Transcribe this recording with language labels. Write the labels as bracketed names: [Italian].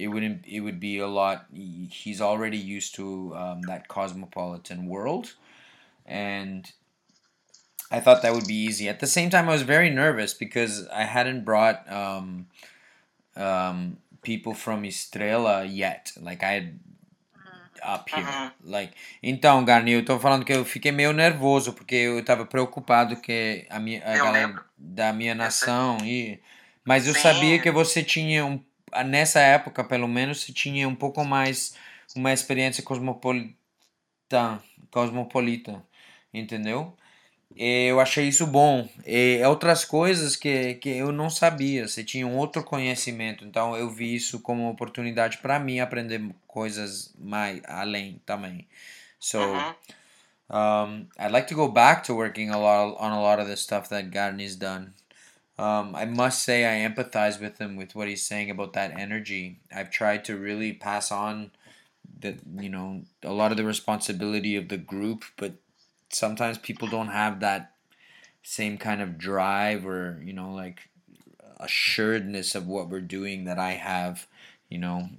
[English] It would be a lot, he's already used to that cosmopolitan world, and I thought that would be easy. At the same time, I was very nervous because I hadn't brought people from Estrela yet. Like, I had up here. Uh-huh. Like, [Portuguese] então, Garni, eu tô falando que eu fiquei meio nervoso porque eu tava preocupado que a galera da minha nação... Mas eu sabia que você tinha, nessa época, pelo menos, você tinha um pouco mais uma experiência cosmopolita, entendeu? Eu achei isso bom. E outras coisas que eu não sabia. Você tinha um outro conhecimento. Então, eu vi isso como uma oportunidade para mim aprender coisas mais além também. [English] So, I'd like to go back to working on a lot of the stuff that Garni's done. I must say I empathize with him with what he's saying about that energy. I've tried to really pass on a lot of the responsibility of the group, but sometimes people don't have that same kind of drive or, you know, like assuredness of what we're doing that I have, you know.